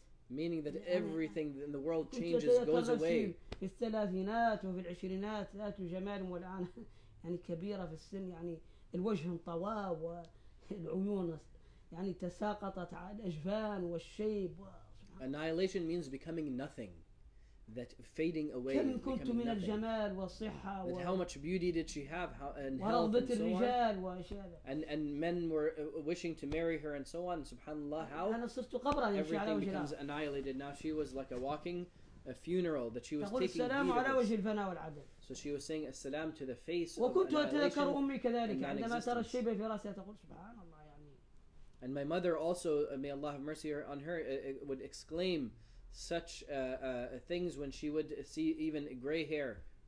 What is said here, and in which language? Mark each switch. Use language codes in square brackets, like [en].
[en] Meaning that everything in the world changes, goes away. [ar] في الثلاثينات وفي العشرينات ذات جمال والآن يعني كبيرة في السن يعني الوجه انطوى والعيون يعني تساقطت على الأجفان والشيب. [en] Annihilation means becoming nothing. That fading away. [ar] كم كنت من الجمال والصحة. [en] That how much beauty did she have? And health and so on. And men were wishing to marry her and so on. Subhanallah, how everything becomes annihilated. Now she was like a walking funeral that she was taking beatings. So she was saying السلام to the face. [ar] وكنت أتذكر أمي كذلك عندما ترى الشيبة في رأسها تقول سبحان الله يعني. [en] And my mother also, may Allah have mercy on her, would exclaim. Such things when she would see even gray hair.